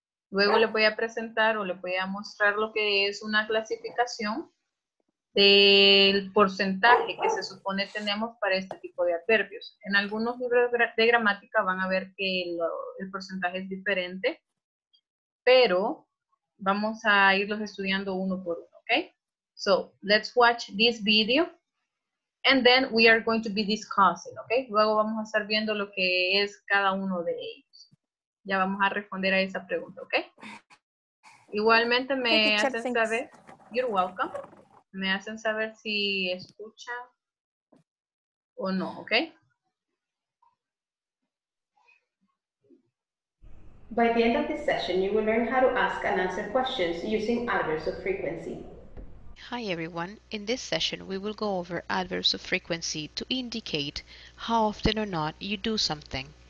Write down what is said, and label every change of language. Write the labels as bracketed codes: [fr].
[es] Luego les voy a presentar o les voy a mostrar lo que es una clasificación del porcentaje que se supone tenemos para este tipo de adverbios. En algunos libros de gramática van a ver que el porcentaje es diferente, pero vamos a irlos estudiando uno por uno, ¿ok? [en] So, let's watch this video, and then we are going to be discussing, ¿ok? [es] Luego vamos a estar viendo lo que es cada uno de ellos. Ya vamos a responder a esa pregunta, ¿ok? Igualmente me hacen saber, [en] you're welcome, [es] me hacen saber si escuchan o no, ¿ok? [en] By the end of this session, you will learn how to ask and answer questions using adverbs of frequency. Hi everyone, in this session we will go over adverbs of frequency to indicate how often or not you do something.